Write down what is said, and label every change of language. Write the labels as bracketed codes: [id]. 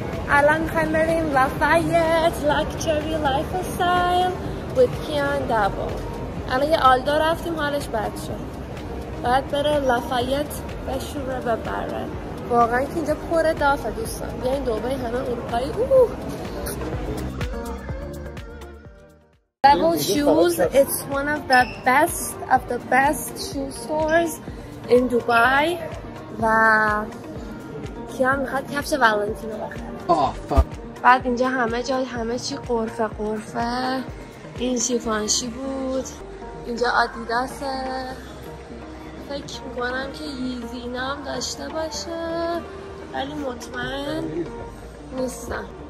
[fa] الان خواهیم بریم لفایت لکچری لایف استایل with کیان دابو. الان یه آلدو رفتیم، حالش بد شد، باید بره لفایت بشوره و بره. واقعا که اینجا پر دافه دوستان، بیاین دبی همه اروپایی. [en] Oh Davo shoes, it's one of the best of the best shoe stores in Dubai. [fa] و کیان میخواد کفش والنتینو بخره. بعد اینجا همه جای همه چی قرفه قرفه، این شیفانشی بود، اینجا آدیداسه، فکر میکنم که ییزی اینا هم داشته باشه ولی مطمئن نیستم.